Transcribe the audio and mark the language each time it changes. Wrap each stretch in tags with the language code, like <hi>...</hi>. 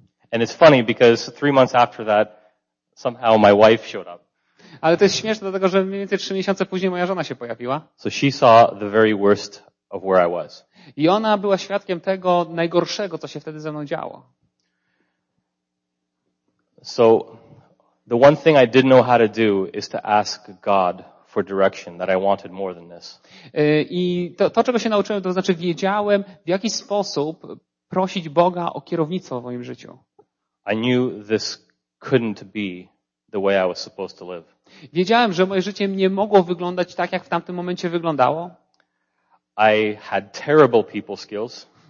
<en>And it's funny because 3 months after that somehow my wife showed up.</en> <pl>Ale to jest śmieszne, dlatego że mniej więcej 3 miesiące później moja żona się pojawiła.</pl> <en>So she saw the very worst of where I was.</en> <pl>I ona była świadkiem tego najgorszego, co się wtedy ze mną działo.</pl> <en>So the one thing I didn't know how to do is to ask God for direction that I wanted more than this.</en> <pl>I to czego się nauczyłem, to znaczy wiedziałem, w jaki sposób prosić Boga o kierownictwo w moim życiu.</pl> <en>I knew this couldn't be the way I was supposed to live.</en> <pl>Wiedziałem, że moje życie nie mogło wyglądać tak, jak w tamtym momencie wyglądało.</pl> <en>I had terrible people skills.</en>